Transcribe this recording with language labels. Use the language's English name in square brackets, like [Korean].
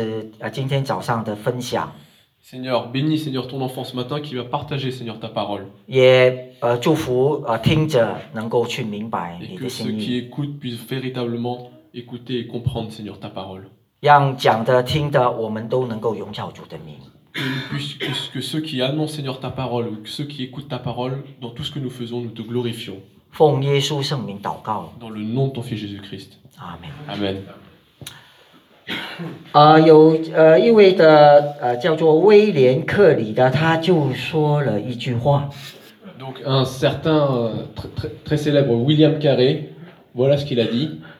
[Chinese] 求主祝福孩子今天早上的分享。 [French] Seigneur, bénis Seigneur ton enfant ce matin qui va partager Seigneur ta parole. [Chinese] 也祝福听者能够去明白你的心意。 [French] Et que ceux qui écoutent puissent véritablement écouter et comprendre Seigneur ta parole. [Chinese] 让讲的听的我们都能够荣耀主的名。 [French] Que ceux qui annoncent Seigneur ta parole ou que ceux qui écoutent ta parole dans tout ce que nous faisons nous te glorifions. [Chinese] 奉耶稣圣名祷告。 [French] Dans le nom de ton fils Jésus Christ. Amen. Amen. [Chinese] 有一位叫做威廉克里的，他就说了一句话。 [French] Donc un certain très célèbre William Carey, voilà ce qu'il a dit.